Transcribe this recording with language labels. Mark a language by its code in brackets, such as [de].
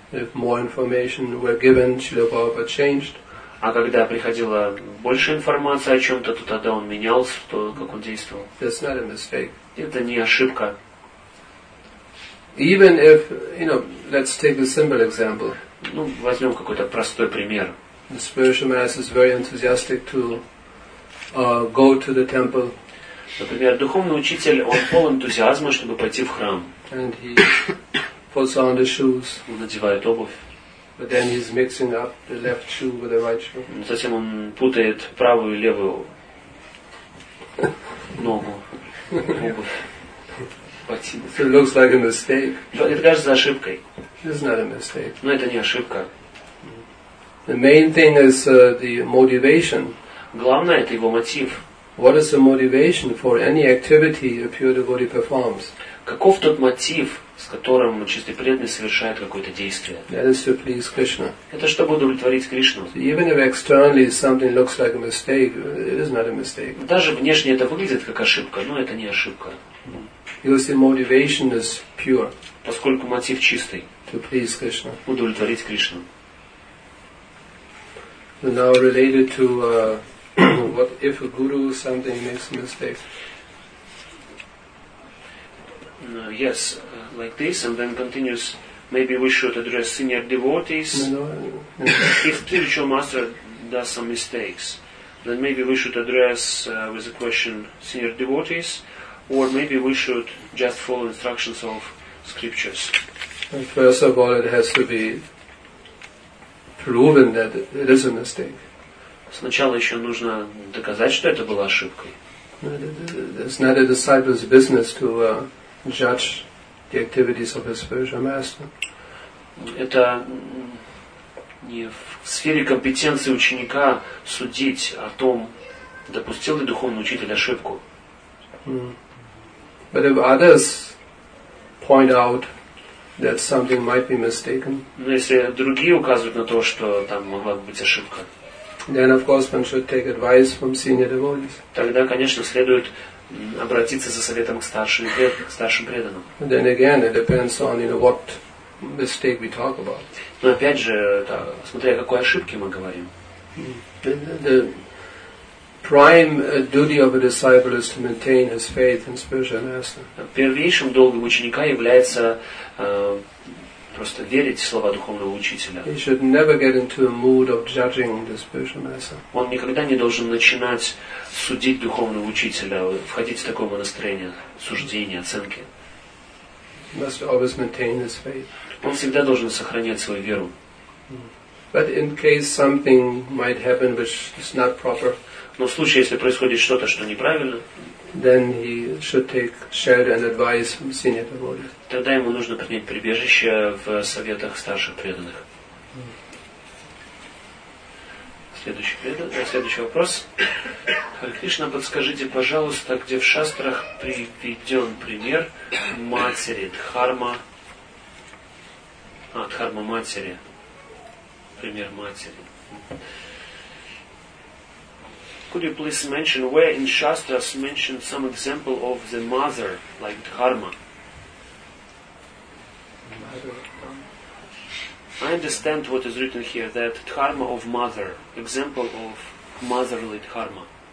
[en] If more information were given, Srila Prabhupada changed. [ru] А когда приходила больше информации о чем-то, то тогда он менялся, то как он действовал. [en] That's not a mistake. [ru] Это не ошибка. [en] Even if, let's take a simple example. [ru] Ну, возьмем какой-то простой пример. [en] The spiritual master is very enthusiastic to go to the temple. [ru] Например, духовный учитель, он полон энтузиазма, чтобы пойти в храм. [en] And he puts on the shoes. [ru] Он надевает обувь. [en] But then he's mixing up the left shoe with the right shoe. [ru] Затем он путает правую и левую ногу. [en] So it looks like a mistake. [ru] Это кажется ошибкой. [en] It's not a mistake. [ru] Но это не ошибка. [en] The main thing is the motivation. [ru] Главное это его мотив. [en] What is the motivation for any activity a pure devotee performs? [ru] Каков тот мотив, с которым чистый преданный совершает какое-то действие? [en] That is to please Krishna. [ru] Это чтобы удовлетворить Кришну. [en] So even if externally something looks like a mistake, it is not a mistake. [ru] Даже внешне это выглядит как ошибка, но это не ошибка. [en] Because the motivation is pure. [ru] Поскольку мотив чистый. [en] To please Krishna. [ru] Удовлетворить Кришну. [en] Now related to what if a guru something makes a mistake? Yes, like this, and then continues. Maybe we should address senior devotees. If spiritual master does some mistakes, then maybe we should address with a question senior devotees, or maybe we should just follow instructions of scriptures. And first of all, it has to be proven that it is a mistake. [ru] Сначала еще нужно доказать, что это была ошибкой. [en] It's not a disciple's business to judge the activities of his spiritual master. [ru] Это не в сфере компетенции ученика судить о том, допустил ли духовный учитель ошибку. [en] But if others point out that something might be mistaken. [ru] Но если другие указывают на то, что там могла быть ошибка. [en] Then of course one should take advice from senior devotees. [ru] Тогда, конечно, следует обратиться за советом к старшим преданным. [en] Then again, it depends on what mistake we talk about. [ru] Но опять же, это, смотря о какой ошибке мы говорим. [en] The prime duty of a disciple is to maintain his faith in spiritual master. [ru] Первейшим долгом ученика является просто верить в слова духовного учителя. [en] He should never get into a mood of judging the spiritual master. [ru] Он никогда не должен начинать судить духовного учителя, входить в такое настроение суждения, оценки. [en] He must always maintain his faith. [ru] Он всегда должен сохранять свою веру. [en] But in case something might happen which is not proper. [ru] Но в случае, если происходит что-то, что неправильно, [en] then he should take shelter and advice from senior devotees. [ru] Тогда ему нужно принять прибежище в советах старших преданных. Следующий вопрос. Харе Кришна, подскажите, пожалуйста, где в шастрах приведен пример матери Дхарма, Дхарма матери, пример матери. [en] Could you please mention where in Shastras mentioned some example of the mother, like Dharma? I understand what is written here, that Dharma of mother, example of motherly Dharma.